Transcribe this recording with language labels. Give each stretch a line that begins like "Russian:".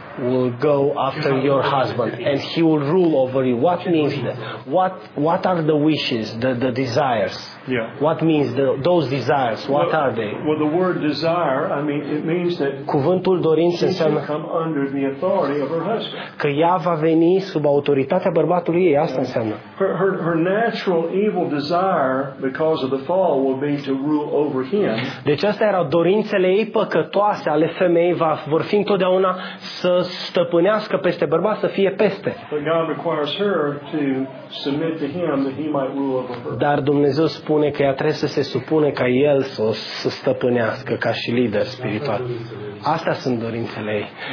English: will go after your husband and he will rule over you. What means that? What are the wishes, the desires? Yeah. What means those desires? What are they? Well, the word desire, I mean, it means that
Romanian: cuvântul dorință înseamnă
English: come under the authority of her husband.
Romanian: Că ea va veni sub autoritatea bărbatului ei, asta înseamnă.
English: Her natural evil desire because of the fall will be to rule over him.
Romanian: Deci astea erau dorințele ei păcătoase ale femeii, vor fi întotdeauna să stăpânească peste bărbat, să fie peste.
English: But God requires her to submit to him that he might rule over her.
Romanian: Dar Dumnezeu spune că ea trebuie să se supune ca el să o stăpânească ca și lider spiritual. Astea sunt dorințele ei.